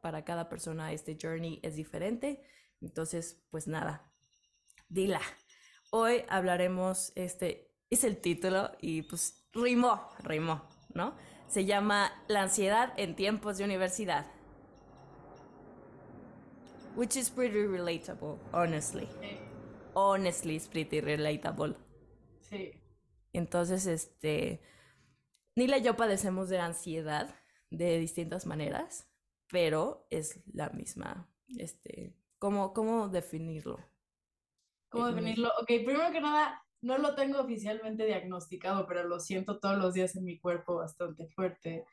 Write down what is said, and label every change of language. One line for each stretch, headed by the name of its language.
Spanish: Para cada persona este journey es diferente. Entonces, pues nada, Nila, hoy hablaremos, es el título y pues rimó, ¿no? Se llama La ansiedad en tiempos de universidad.
English: Which is pretty relatable, honestly.
Spanish: Sí.
English: Honestly, it's pretty relatable.
Spanish: Sí. Entonces, Nila y yo padecemos de ansiedad de distintas maneras, pero es la misma. ¿Cómo definirlo? ¿Cómo definirlo? Ok, primero que nada, no lo tengo oficialmente diagnosticado, pero lo siento todos los días en mi cuerpo bastante fuerte.